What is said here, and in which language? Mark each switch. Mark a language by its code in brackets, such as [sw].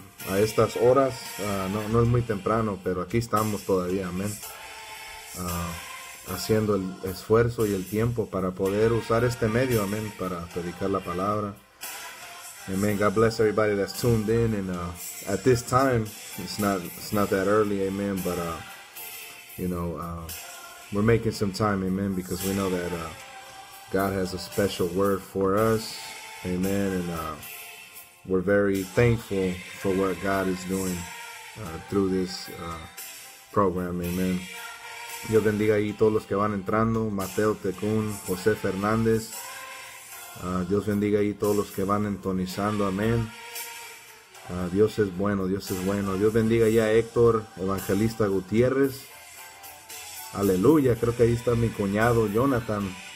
[es] A estas horas, no es muy temprano, pero aquí estamos todavía, amén. Haciendo el esfuerzo y el tiempo para poder usar este medio, amén, para predicar la palabra. [en] Amen. God bless everybody that's tuned in. And at this time, it's not that early, amen, but, you know, we're making some time, amen, because we know that God has a special word for us, amen, and we're very thankful for what God is doing through this program. Amen. [es] Dios bendiga ahí todos los que van entrando. Mateo Tecún, José Fernández. Dios bendiga ahí todos los que van entonizando. Amén. Dios es bueno, Dios es bueno. Dios bendiga ahí a Héctor Evangelista Gutiérrez. Aleluya, creo que ahí está mi cuñado Jonathan.